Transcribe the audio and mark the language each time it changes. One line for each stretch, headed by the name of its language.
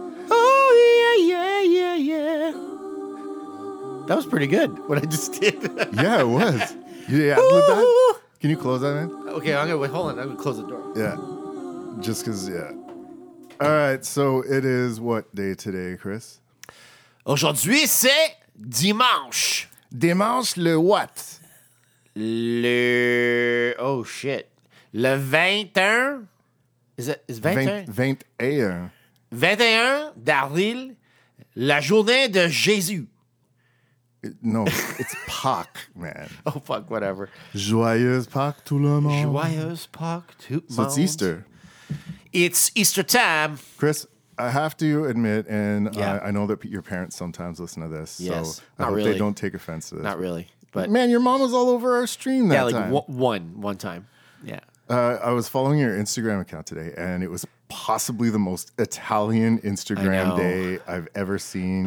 English: Oh, yeah, yeah, yeah, yeah. That was pretty good, what I just did. Yeah, it was. Yeah, I did that. Can you close that, man? Okay, I'm gonna wait. Hold on, I'm gonna close the door. Yeah, just cause. Yeah. All right. So it is what day today, Chris?
French: Aujourd'hui c'est dimanche. Dimanche le
English: what? Le oh shit. Le 21. Is 21?
French: 21 d'avril, la journée de Jésus.
English: No, it's Pâques, man. Oh, fuck, whatever.
French: Joyeuse Pâques, tout le monde. Joyeuse Pâques, tout le monde.
English: So it's Easter. It's Easter time. Chris, I have to admit, and yeah. I know that your parents sometimes listen to this. Yes. So not I hope really. They don't take offense to this. Not really. But man, your mom was all over our stream that time. Yeah, like one time. Yeah. I was following your Instagram account today, and it was possibly the most Italian Instagram day I've ever seen.